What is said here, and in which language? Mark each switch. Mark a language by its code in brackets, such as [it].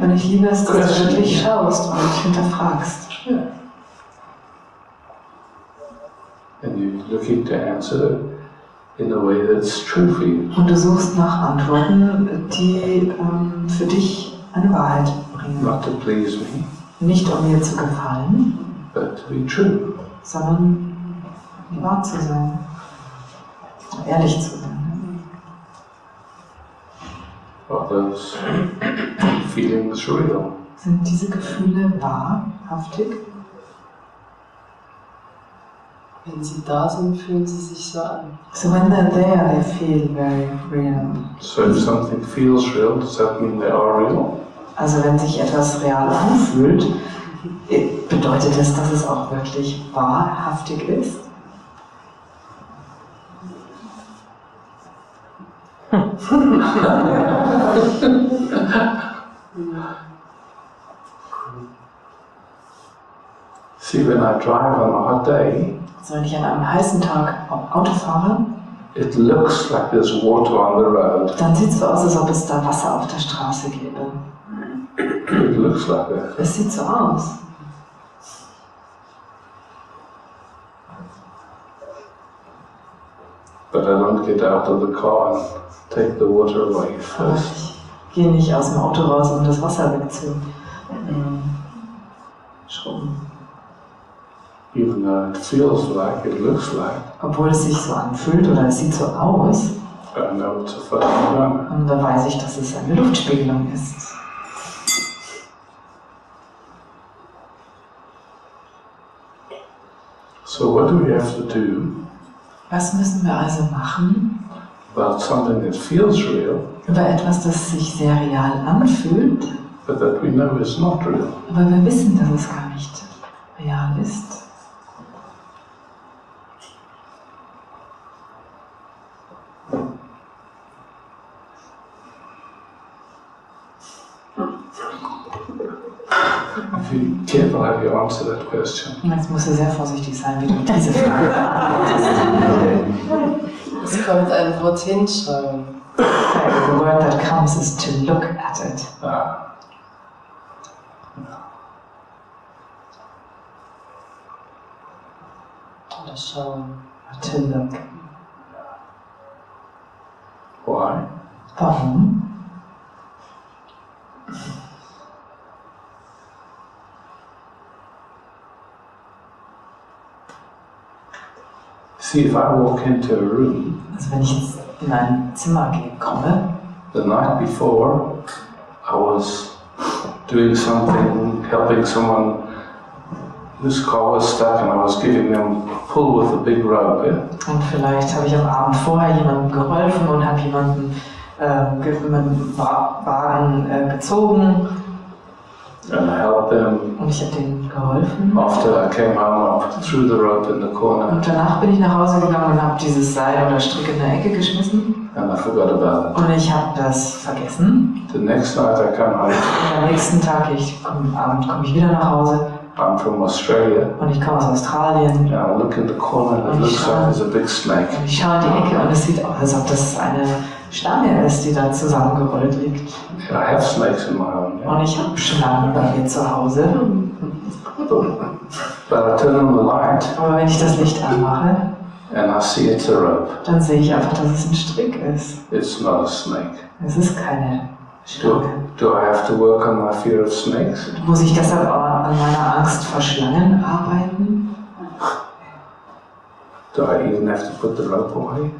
[de] Wenn ich liebe es, dass du wirklich schaust und dich hinterfragst. [en] Yeah. And you're looking to answer in a way that's true for you. [de] Und du suchst nach Antworten, die für dich eine Wahrheit bringen. [en] Not to please me. [de] Nicht um mir zu gefallen. [en] But to be true. [de] Sondern wahr zu sein, ehrlich zu sein. [en] Are those feelings real? [de] Sind diese Gefühle wahrhaftig? Wenn sie da sind, fühlen sie sich so an. [en] So when they're there, they feel very real. So if something feels real, does that mean they are real? [de] Also wenn sich etwas real anfühlt, bedeutet das, dass es auch wirklich wahrhaftig ist? [en] See, when I drive on a hot day, [de] so wenn ich an einem heißen Tag Auto fahre, [en] it looks like there's water on the road. [de] Dann sieht es so aus, als ob es da Wasser auf der Straße gäbe. [en] It looks like it. [de] Es sieht so aus. [en] But I don't get out of the car and take the water away first. [de] Ich gehe nicht aus dem Auto raus, um das Wasser wegzuschrubben. [en] Even though it feels like, it looks like. [de] Obwohl es sich so anfühlt oder es sieht so aus. [en] I know it's a phenomenon. [de] Und da weiß ich, dass es eine Luftspiegelung ist. [en] So what do we have to do? [de] Was müssen wir also machen? [en] About something that feels real. [de] Über etwas, das sich sehr real anfühlt. [en] But that we know is not real. [de] Aber wir wissen, dass es gar nicht real ist. Jetzt musst du sehr vorsichtig sein, wie du diese Frage beantwortest. Es kommt ein Wort hinschreiben. [en] The word that comes is to look at it. [de] Oder schauen. [en] To look. Why? [de] Warum? [en] See, if I walk into a room, [de] also wenn ich in ein Zimmer komme, [en] the night before I was doing something, helping someone, this car was stuck and I was giving them a pull with a big rope. Yeah? [de] Und vielleicht habe ich am Abend vorher jemandem geholfen und habe jemanden gezogen. [en] And I helped them. [de] Und ich habe denen geholfen. [en] After I came home, I threw the rope in the corner. [de] Und danach bin ich nach Hause gegangen und habe dieses Seil oder Strick in der Ecke geschmissen. [en] And I forgot about it. [de] Und ich habe das vergessen. [en] The next night I come home. [de] Und am nächsten Tag, komme ich wieder nach Hause. [en] I'm from Australia. [de] Und ich komme aus Australien. [en] Yeah, I look in the corner and it looks like there's a big snake. [de] Und ich schaue in die Ecke und es sieht aus, als ob das eine Schlange ist, die da zusammengerollt liegt. [en] Yeah, I have snakes in my home. Yeah. [de] Und ich habe Schlangen bei mir zu Hause. [en] But I turn on the light. [de] Aber wenn ich das Licht anmache, [en] And I see it's a rope. [de] Dann sehe ich einfach, dass es ein Strick ist. [en] It's not a snake. [de] Es ist keine Schlange. [en] Do I have to work on my fear of snakes? [de] Muss ich deshalb aber an meiner Angst vor Schlangen arbeiten? [en] Do I even have to put the rope away?